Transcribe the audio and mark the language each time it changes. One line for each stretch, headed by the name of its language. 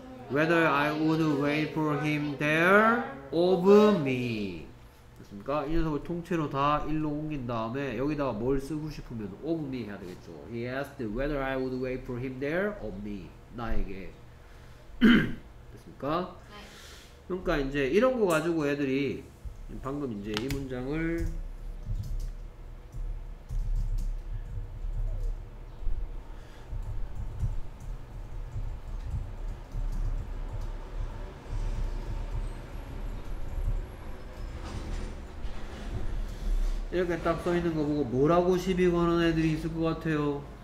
English: whether I would wait for him there of me.
Korean: 됐습니까? 이 녀석을 통째로 다 일로 옮긴 다음에 여기다가 뭘 쓰고 싶으면 of me 해야 되겠죠.
English: He asked whether I would wait for him there of me.
Korean: 나에게. 됐습니까? 그러니까 이제 이런 거 가지고 애들이 방금 이제 이 문장을 이렇게 딱 써 있는 거 보고 뭐라고 시비 거는 애들이 있을 것 같아요.